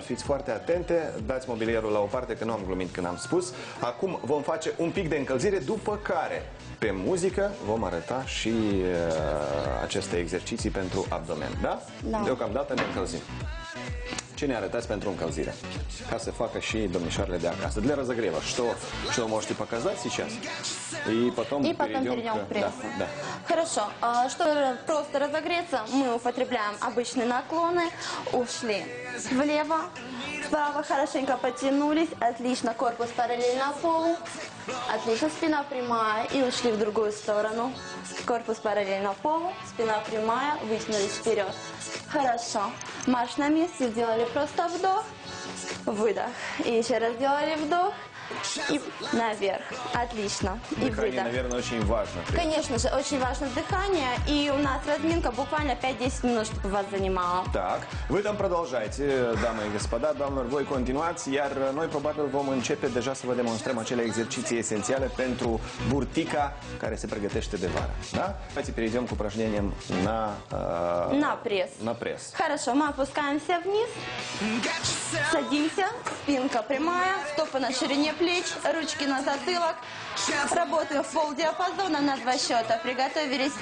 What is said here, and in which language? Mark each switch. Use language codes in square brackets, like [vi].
[ro] Fiți foarte atente, dați mobilierul la o parte, că nu am glumit când am spus. Acum vom face un pic de încălzire, după care pe muzică vom arăta și aceste exerciții pentru abdomen, da? Da. Deocamdată ne încălzim. ce ne arătați pentru încălzire? Ca să facă și domnișoarele de acasă. [ru] Для разогрева. Что, что можете показать сейчас? И потом, и потом перейдем к прессу. Да, да. Хорошо. Чтобы просто разогреться, мы употребляем обычные наклоны. Ушли влево, вправо, хорошенько потянулись. Отлично. Корпус параллельно полу. Отлично. Спина прямая. И ушли в другую сторону. Корпус параллельно полу. Спина прямая. Вытянулись вперед. Хорошо. Марш на месте. Сделали просто вдох. Выдох. И еще раз делали вдох. И наверх. Отлично. И дыхание, выдох. Наверное, очень важно. Конечно же, очень важно дыхание. И у нас разминка буквально 5-10 минут, чтобы вас занимала. Так, вы там продолжайте, дамы и господа. [ro] Doamnelor, voi continuați. Iar noi probabil vom începe deja să vă demonstrăm acele exerciții esențiale pentru burtica care se pregătește de vară. Da? [ru] Давайте перейдем к упражнениям на... на пресс. На пресс. Хорошо, мы опускаемся вниз. Садимся. Спинка прямая. Стопы на ширине плеч, ручки на затылок. Работаем в полдиапазона на два счета. Приготовились.